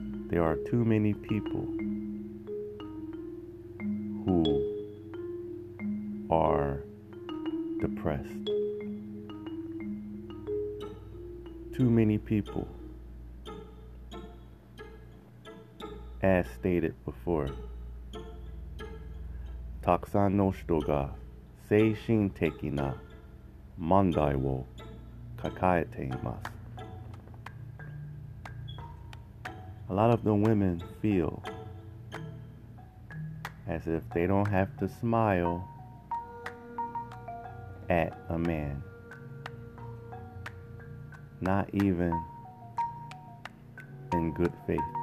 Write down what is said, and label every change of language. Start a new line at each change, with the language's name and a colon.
English: There are too many people who are depressed. Too many people, as stated before,
Japanese: たくさんの人が精神的な問題を抱えています。
English: A lot of the women feel as if they don't have to smile at a man. Not even in good faith.